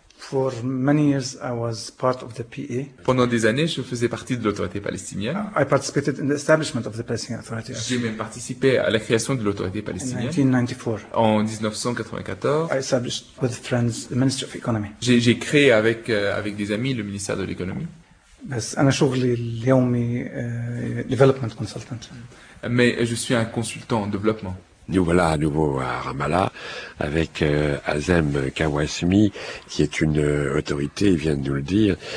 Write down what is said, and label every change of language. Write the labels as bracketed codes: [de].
[en] For many years, I was part of the PA. [fr] Pendant des années, je faisais partie de l'autorité palestinienne. [en] I participated in the establishment of the Palestinian Authority. [fr] J'ai même participé à la création de l'autorité palestinienne. [en] In 1994. [fr] En 1994. [en] I established with friends the Ministry of Economy. [fr] J'ai créé avec avec des amis le ministère de l'économie. [ar] بس أنا شغلي اليومي [en] development consultant. [fr] Mais je suis un consultant en développement. Nous voilà à nouveau à Ramallah avec Hazem Kawasmi, qui est une autorité, il vient de nous le dire.